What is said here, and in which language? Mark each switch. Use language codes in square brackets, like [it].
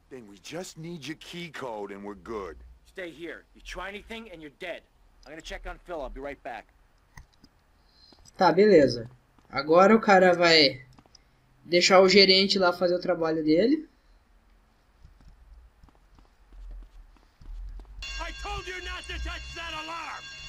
[en] Then we just need your key code and we're good. Stay here. You try anything and you're dead. I'm gonna check on Phil. I'll be right back. [pt] Tá, beleza. Agora o cara vai deixar o gerente lá fazer o trabalho dele. [en] I told you not to touch that alarm.